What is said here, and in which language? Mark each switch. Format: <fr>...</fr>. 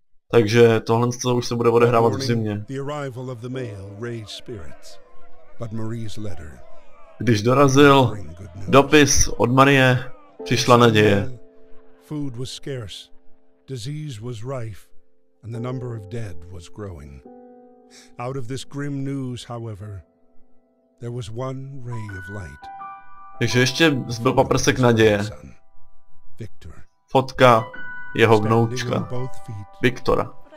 <cs>Takže tohle už se bude odehrávat v zimě.</cs> <en>The arrival of the mail raised spirits, but Marie's letter.</en> <cs>Když dorazil dopis od Marie, přišla naděje.</cs> <en>Food was scarce, disease was rife, and the number of dead was growing. Out of this grim news, however, there was one ray of light.</en> <cs>Takže ještě zbyl paprsek naděje. Fotka jeho vnoučka Viktora.</cs>